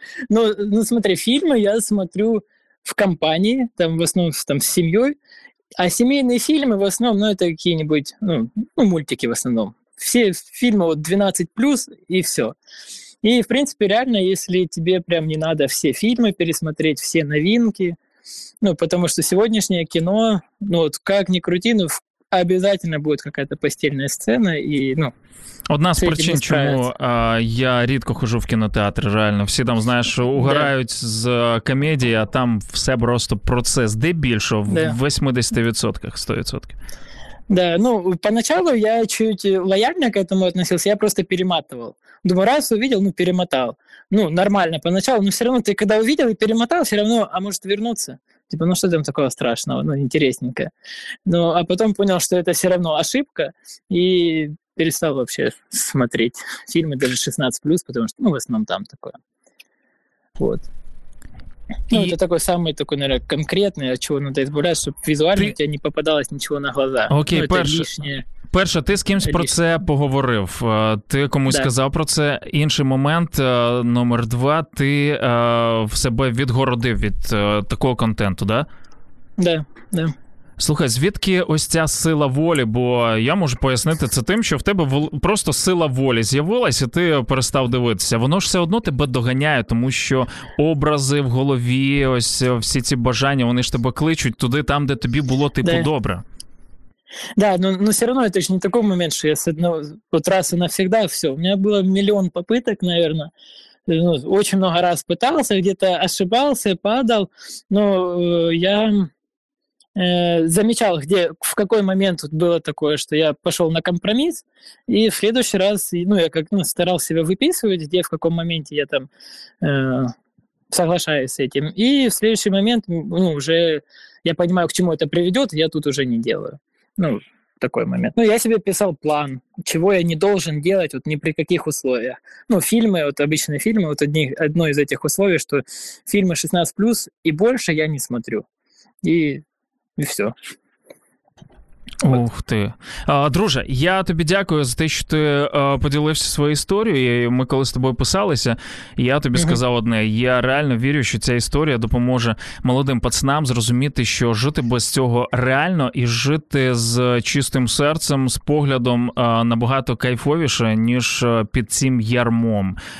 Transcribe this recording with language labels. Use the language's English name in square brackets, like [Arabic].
[Ukrainian] Ну, смотри, фільми я смотрю в компанії, там, в основному там, з сім'єю. А сімейні фільми в основному, ну, це якісь, ну, мультики в основному. [Russian] Все фильмы вот 12+, и все. И, в принципе, реально, если тебе прям не надо все фильмы пересмотреть, все новинки, ну, потому что сегодняшнее кино, ну, вот как ни крути, ну, обязательно будет какая-то постельная сцена, и, ну, [Ukrainian] одна з причин, чому я рідко хожу в кінотеатр, реально. Всі там, знаєш, угорають з комедії, а там все просто процес. Де більше? В 80%, 100%. [Russian] Да, ну, поначалу я чуть лояльно к этому относился, я просто перематывал. Думаю, раз увидел, ну, перемотал. Ну, нормально поначалу, но все равно ты когда увидел и перемотал, все равно, а может вернуться? Типа, ну, что там такого страшного, ну, интересненько. Ну, а потом понял, что это все равно ошибка, и перестал вообще смотреть фильмы даже 16+, потому что, ну, в основном там такое. Вот. Ну, это такой самый такой, наверное, конкретный, от чего надо избавляться, чтобы визуально у тебя не попадалось ничего на глаза. Окей, ну, [Ukrainian] перше, ти з кимсь про це поговорив, ти комусь сказав про це. Інший момент, номер два, ти в себе відгородив від такого контенту, да? [Russian] Да, да. [Ukrainian] Слухай, звідки ось ця сила волі? Бо я можу пояснити це тим, що в тебе просто сила волі з'явилась, і ти перестав дивитися. Воно ж все одно тебе доганяє, тому що образи в голові, ось всі ці бажання, вони ж тебе кличуть туди, там, де тобі було типу добре. [Russian] Да, но все равно это ж не такой момент, [Ukrainian] що я з одного раз і навсегда все. У мене було мільйон попиток, мабуть. [Russian] Ну, очень много раз пытался, где-то ошибался, падал, но я замечал, где, в какой момент вот было такое, что я пошел на компромисс, и в следующий раз, ну, я как, ну, старался себя выписывать, где, в каком моменте я там соглашаюсь с этим, и в следующий момент, ну, уже я понимаю, к чему это приведет, я тут уже не делаю. Ну, такой момент. Ну, я себе писал план, чего я не должен делать, вот ни при каких условиях. Ну, фильмы, вот обычные фильмы, вот одно из этих условий, что фильмы 16+, и больше я не смотрю. [Ukrainian] І все. Ух ти. Друже, я тобі дякую за те, що ти поділився своєю історією. Ми коли з тобою писалися, я тобі сказав одне. Я реально вірю, що ця історія допоможе молодим пацанам зрозуміти, що жити без цього реально і жити з чистим серцем, з поглядом набагато кайфовіше, ніж під цим ярмом.